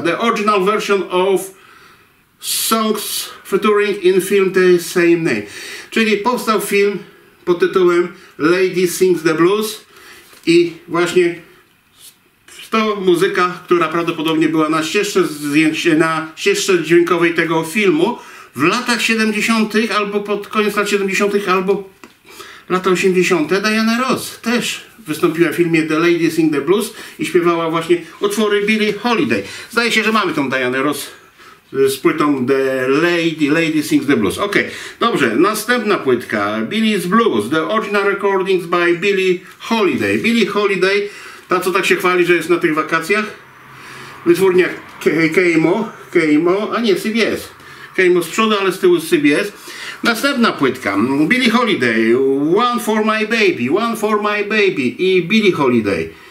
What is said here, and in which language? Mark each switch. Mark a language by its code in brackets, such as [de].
[en] The original version of songs featuring in film the same name. [pl] Czyli powstał film pod tytułem Lady Sings the Blues i właśnie to muzyka, która prawdopodobnie była na ścieżce zdjęcia, na ścieżce dźwiękowej tego filmu w latach 70. albo pod koniec lat 70. albo lata 80. Diana Ross też wystąpiła w filmie The Lady Sings the Blues i śpiewała właśnie utwory Billie Holiday. Zdaje się, że mamy tą Diana Ross z płytą The Lady Sings the Blues. Okej, dobrze, następna płytka. [en] Billie's Blues, The Original Recordings by Billie Holiday. [pl] Billie Holiday, ta co tak się chwali, że jest na tych wakacjach, wytwórnia KMO, a nie CBS. KMO z przodu, ale z tyłu CBS. Następna płytka, Billie Holiday, One for My Baby i Billie Holiday.